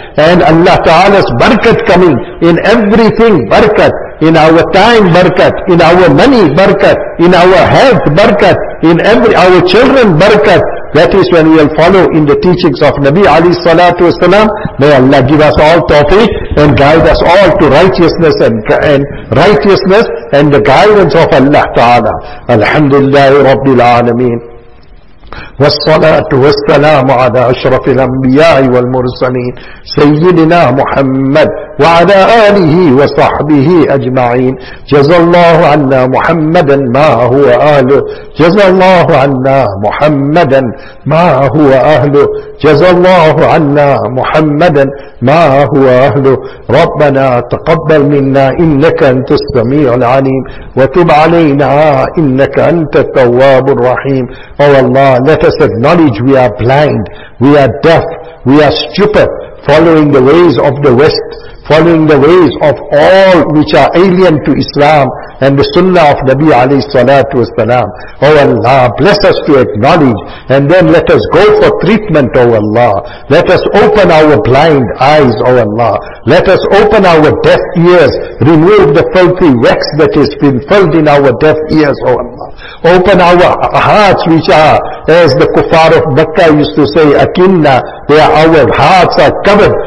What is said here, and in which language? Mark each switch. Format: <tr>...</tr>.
<en>And Allah Ta'ala's barakat coming in everything, barakat, in our time, barakat, in our money, barakat, in our health, barakat, in every our children, barakat. That is when we will follow in the teachings of Nabi Ali Salatu Wasalam. May Allah give us all tawfiq and guide us all to righteousness and righteousness and the guidance of Allah Ta'ala. Alhamdulillah Rabbil Alameen.</en> <ar>والصلاة والسلام على أشرف الأنبياء والمرسلين سيدنا محمد وعلى آله وصحبه أجمعين جزى الله عنا محمدا ما هو أهله جزى الله عنا محمدا ما هو أهله جزى الله عنا محمدا ما هو أهله ربنا تقبل منا إنك أنت السميع العليم وتب علينا إنك أنت التواب الرحيم أو الله</ar> <en>let us acknowledge we are blind, we are deaf, we are stupid, following the ways of the West, following the ways of all which are alien to Islam and the Sunnah of Nabi Ali Salatu Wasalam. O Allah, bless us to acknowledge and then let us go for treatment, O Allah. Let us open our blind eyes, O Allah. Let us open our deaf ears, remove the filthy wax that has been filled in our deaf ears, O Allah. Open our hearts which are, as the Kufar of Makkah used to say, Akinna, they are, our hearts are covered.</en>